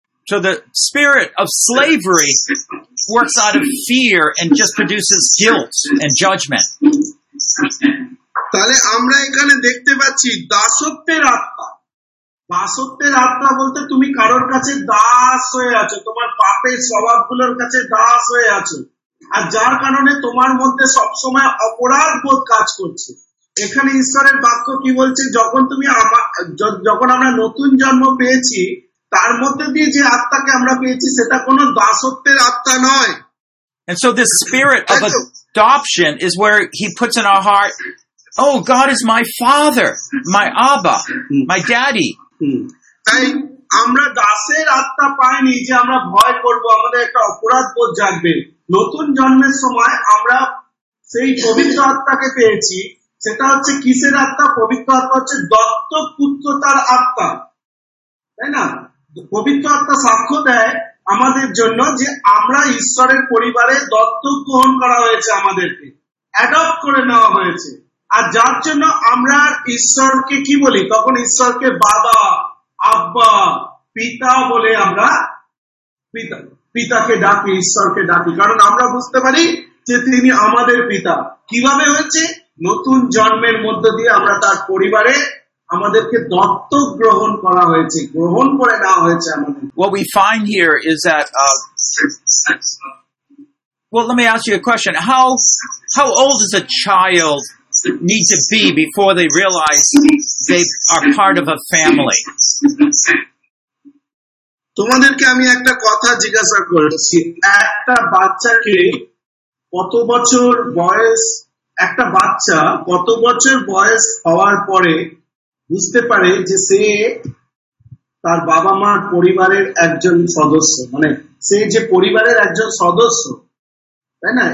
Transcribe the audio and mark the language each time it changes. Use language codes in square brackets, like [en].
[en] So the spirit of slavery works out of fear and just produces guilt and judgment. [bn] তাহলে আমরা এখানে দেখতে পাচ্ছি দাসত্বের আত্মা, দাসত্বের আত্মা বলতে তুমি কারোর কাছে দাস হয়ে আছো, তোমার পাপের স্বভাব গুলোর কাছে দাস হয়ে আছো, আর যার কারণে তোমার মধ্যে সবসময় অপরাধ বোধ কাজ করছে। এখানে ঈশ্বরের বাক্য কি বলছে, যখন তুমি যখন আমরা নতুন জন্ম পেয়েছি তার মধ্যে দিয়ে যে আত্মাকে আমরা পেয়েছি সেটা কোনো দাসত্বের আত্মা নয়। [en] And so this spirit of adoption is where he puts in our heart, oh God is my father, my Abba, my daddy. [bn] তাই আমরা দাসের আত্মা পাইনি যে আমরা ভয় করবো, আমাদের একটা অপরাধ বোধ জাগবে। নতুন জন্মের সময় আমরা সেই পবিত্র আত্মাকে পেয়েছি, সেটা হচ্ছে কিসের আত্মা? পবিত্র আত্মা হচ্ছে দত্তক পুত্রতার আত্মা, তাই না? পবিত্র আত্মা সাক্ষ্য দেয় আমাদের জন্য যে আমরা ঈশ্বরের পরিবারে দত্তক গ্রহণ করা হয়েছে, আমাদেরকে অ্যাডপ্ট করে নেওয়া হয়েছে, আর যার জন্য আমরা ঈশ্বরকে কি বলি, তখন ঈশ্বরকে বাবা আব্বা পিতা বলে আমরা পিতা পিতাকে ডাকি, ঈশ্বরকে ডাকি, কারণ আমরা বুঝতে পারি যে তিনি আমাদের পিতা। কিভাবে হয়েছে? নতুন জন্মের মধ্য দিয়ে আমরা তার পরিবারে আমাদেরকে দত্তক গ্রহণ করা হয়েছে, গ্রহণ করে নেওয়া হয়েছে আমাদের। [en] What we find here is that well, let me ask you a question. How old is a child need to be before they realize they are part of a family? [bn] তোমাদেরকে আমি একটা কথা জিজ্ঞাসা করছি, একটা বাচ্চাকে কত বছর বয়স, একটা বাচ্চা কত বছর বয়স হওয়ার পরে বুঝতে পারে যে সে তার বাবা মার পরিবারের একজন সদস্য, মানে সে যে পরিবারের একজন সদস্য, তাই না?